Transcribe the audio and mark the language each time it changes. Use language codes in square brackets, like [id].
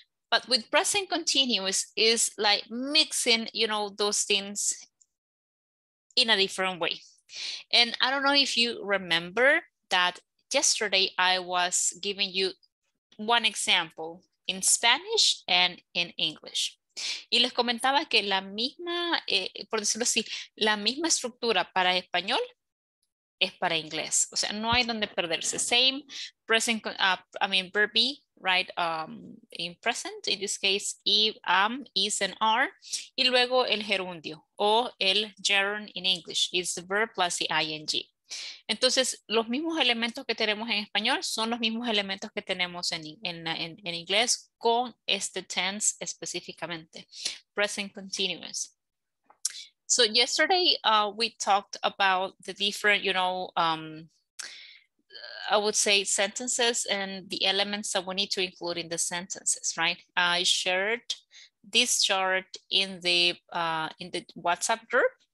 [en] But with present continuous is like mixing, you know, those things in a different way. And I don't know if you remember that yesterday I was giving you one example in Spanish and in English. [es] Y les comentaba que la misma, por decirlo así, la misma estructura para español es para inglés. O sea, no hay donde perderse. [en] Same present, verb be, right? In present, in this case, is and are. [es] Y luego el gerundio o el [en] gerund in English. It's the verb plus the ing. [es] Entonces, los mismos elementos que tenemos en español son los mismos elementos que tenemos en inglés con este tense específicamente, present continuous. [en] So yesterday we talked about the different, you know, I would say sentences and the elements that we need to include in the sentences, right? I shared this chart in the WhatsApp group.